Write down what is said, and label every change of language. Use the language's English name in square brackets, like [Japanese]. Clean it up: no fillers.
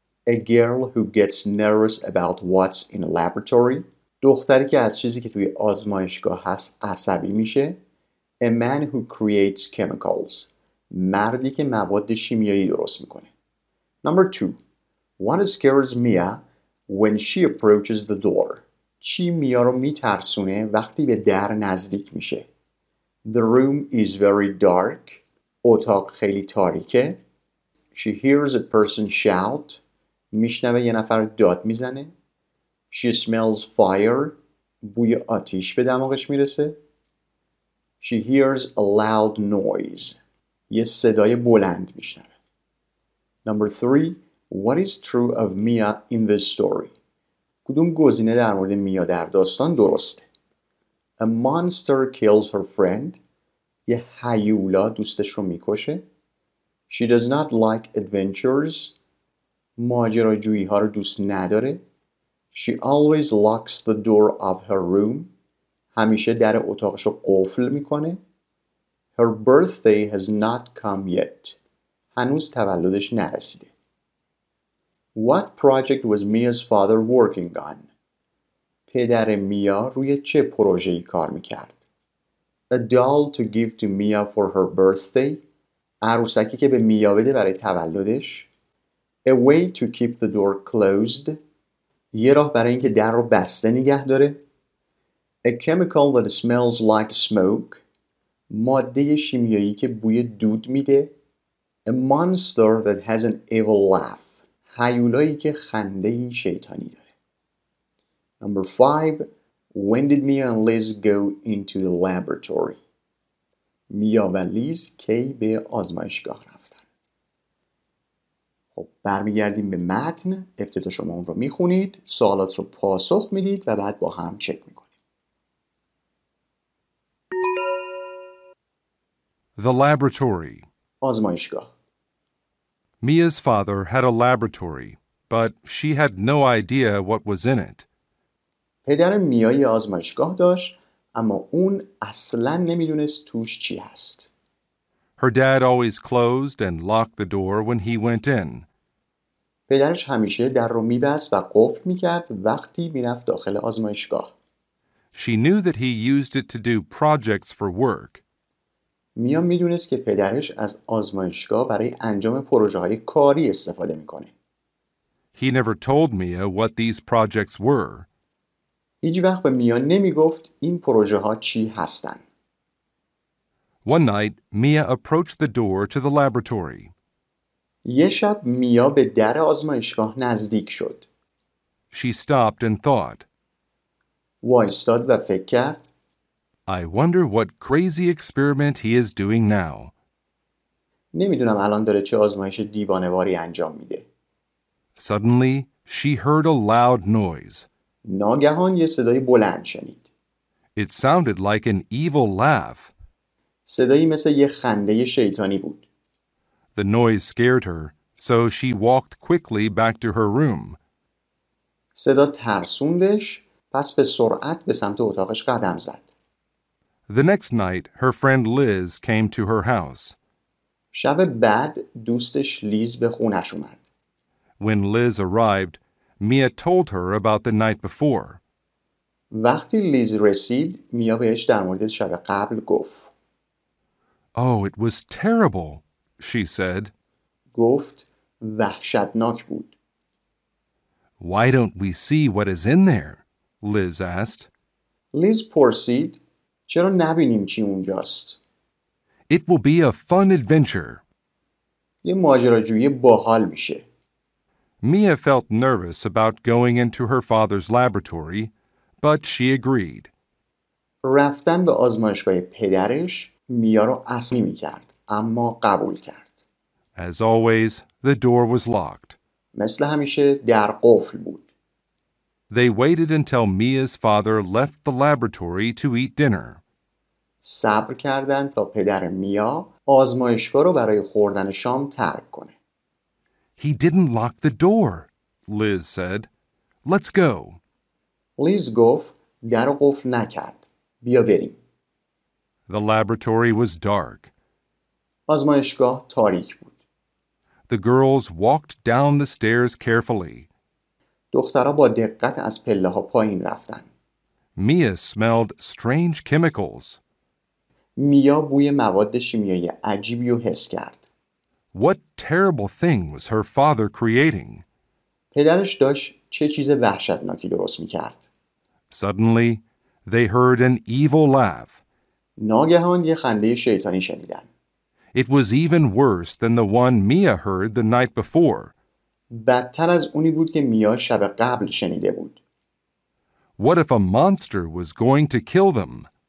[English] A girl who gets nervous about what's in a laboratory. [Persian] دختری که از چیزی که توی آزمایشگاه هست عصبی میشه. [English] A man who creates chemicals. [Persian] مردی که مواد شیمیایی درست میکنه. [English] Number 2. What scares Mia when she approaches the door? [Persian] چی میا رو میترسونه وقتی به در نزدیک میشه؟ [English] The room is very dark. [Persian] اتاق خیلی تاریکه. [English] She hears a person shout. [Persian] میشنوه یه نفر داد میزنه. [English] She smells fire. [Persian] بوی آتیش به دماغش میرسه. [English] She hears a loud noise. [Persian] یه صدای بلند میشنوه. [English] Number 3. What is true of Mia in this story? [Persian] کدوم گزینه در مورد میا در داستان درسته؟ [English] A monster kills her friend. [Persian] یه هیولا دوستش رو میکشه. [English] She does not like adventures. [Persian] ماجراجویی ها رو دوست نداره. [English] She always locks the door of her room. [Persian] همیشه در اتاقش رو قفل میکنه. [English] Her birthday has not come yet. [Persian] هنوز تولدش نرسیده. [English] What project was Mia's father working on? [Persian] پدر میا روی چه پروژه‌ای کار میکرد؟ [English] A doll to give to Mia for her birthday. [Persian] عروسکی که به میا بده برای تولدش. [English] A way to keep the door closed. [Persian] یه راه برای اینکه در رو بسته نگه داره. [English] A chemical that smells like smoke. [Persian] ماده شیمیایی که بوی دود میده. [English] A monster that has an evil laugh. [Persian] هیولایی که خنده‌ای شیطانی داره. [English] Number 5. When did Mia and Liz go into the laboratory? [Persian] میا و لیز کی به آزمایشگاه رفتن؟ خب برمیگردیم به متن. ابتدا شما اون رو میخونید. سوالات رو پاسخ میدید و بعد با هم چک میکنید. [English] The laboratory. [Persian] آزمایشگاه. [English] Mia's father had a laboratory, but she had no idea what was in it. [Persian] پدر میا یه آزمایشگاه داشت، اما اون اصلاً نمی‌دونست توش چی هست. [English] Her dad always closed and locked the door when he went in. [Persian] پدرش همیشه در رو می‌بست و قفل می‌کرد وقتی می‌رفت داخل آزمایشگاه. [English] She knew that he used it to do projects for work. [Persian] میا میدونست که پدرش از آزمایشگاه برای انجام پروژه‌های کاری استفاده می‌کنه. [English] He never told Mia what these projects were. [Persian] هیچ وقت به میا نمی‌گفت این پروژه‌ها چی هستن. [English] One night, Mia approached the door to the laboratory. [Persian] یه شب میا به در آزمایشگاه نزدیک شد. [English] She stopped and thought. [Persian] وایستاد و فکر کرد. [English] I wonder what crazy experiment he is doing now. [Persian] نمیدونم الان داره چه آزمایش دیوانه‌واری انجام میده. [English] Suddenly, she heard a loud noise. [Persian] ناگهان یه صدای بلند شنید. [English] It sounded like an evil laugh. [Persian] صدایی مثل یه خنده شیطانی بود. [English] The noise scared her, so she walked quickly back to her room. [Persian] صدا ترسوندش، پس به سرعت به سمت اتاقش قدم زد. [English] The next night, her friend Liz came to her house. [Persian] شب بعد دوستش لیز به خونش اومد. [English] When Liz arrived, Mia told her about the night before. [Persian] وقتی لیز رسید، میا بهش در مورد شب قبل گفت. [English] Oh, it was terrible, she said. [Persian] گفت وحشتناک بود. [English] Why don't we see what is in there? Liz asked. [Persian] Liz پرسید چرا نبینیم چی اونجاست؟ [English] It will be a fun adventure. [Persian] یه ماجراجویی باحال میشه. [English] Mia felt nervous about going into her father's laboratory, but she agreed. [Persian] رفتن به آزمایشگاه پدرش میا رو اصلا نمی کرد، اما قبول کرد. [English] As always, the door was locked. [Persian] مثل همیشه در قفل بود. [English] They waited until Mia's father left the laboratory to eat dinner. [Persian] صبر کردند تا پدر میا آزمایشگاه رو برای خوردن شام ترک کنه. [English] He didn't lock the door, Liz said. Let's go. [Persian] Liz گفت در قفل نکرد. بیا بریم. [English] The laboratory was dark. [Persian] آزمایشگاه تاریک بود. [English] The girls walked down the stairs carefully. [Persian] دخترها با دقت از پله‌ها پایین رفتن. [English] Mia smelled strange chemicals. [Persian] میا بوی مواد شیمیایی عجیبی رو حس کرد. [English] What terrible thing was her father creating? [Persian] پدرش داشت چه چیز وحشتناکی درست می‌کرد. [English] Suddenly, they heard an evil laugh. [Persian] ناگهان یه خنده شیطانی شنیدن. [English] It was even worse than the one Mia heard the night before. [Persian] بدتر از اونی بود که میا شب قبل شنیده بود. [English] What if a monster was going to kill them?